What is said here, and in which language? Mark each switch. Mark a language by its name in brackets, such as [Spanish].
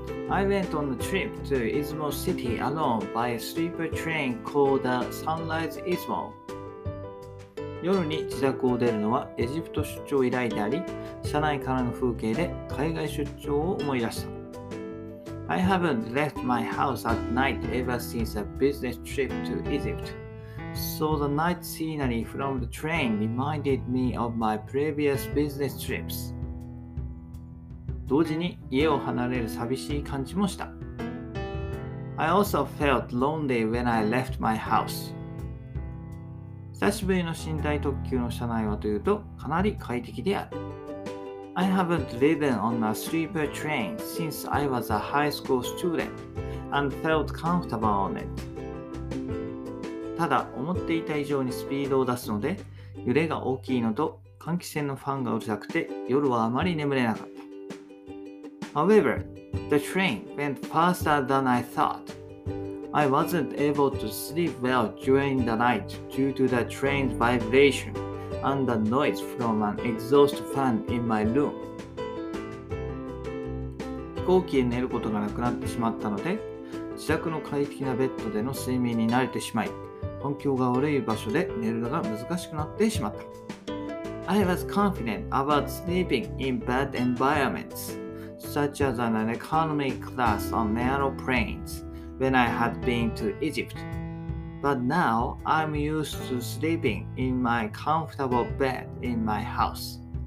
[English] I went on a trip to Izumo City alone by a sleeper train called the Sunrise Izumo. [Japanese] 夜に自宅を出るのはエジプト出張以来であり、車内からの風景で海外出張を思い出した。 [English] I haven't left my house at night ever since a business trip to Egypt. So the night scenery from the train reminded me of my previous business trips. [Japanese] 同時に家を離れる寂しい感じもした。 [English] I also felt lonely when I left my house. [Japanese] 久しぶりの寝台特急の車内はというとかなり快適である。 [English] I haven't ridden on a sleeper train since I was a high school student and felt comfortable on it. [Japanese] ただ、思っていた以上にスピードを出すので、揺れが大きいのと、換気扇のファンがうるさくて、夜はあまり眠れなかった。 [English] However, the train went faster than I thought. I wasn't able to sleep well during the night due to the train's vibration. And the noise from an exhaust fan in my room. [Japanese] 飛行機で寝ることがなくなってしまったので、自宅の快適なベッドでの睡眠に慣れてしまい、環境が悪い場所で寝るのが難しくなってしまった。 [English] I was confident about sleeping in bad environments, such as an economy class on narrow planes, when I had been to Egypt. But now, I'm used to sleeping in my comfortable bed in my house.